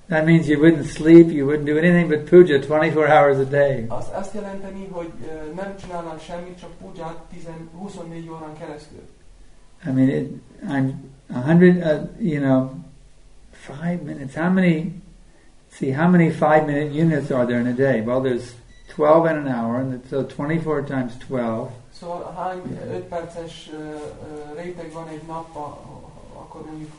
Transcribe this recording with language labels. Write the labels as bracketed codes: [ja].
[en] That means you wouldn't sleep, you wouldn't do anything but puja 24 hours a day. [hu] Azt jelenteni, hogy nem csinálnál semmit, csak pujat 24 órán keresztül. [en] I mean, I'm 100, 5 minutes. How many 5 minute units are there in a day? Well, there's 12 in an hour, and so 24 times 12. [hu] So, hány 5 perces réteg van egy napba, akkor mondjuk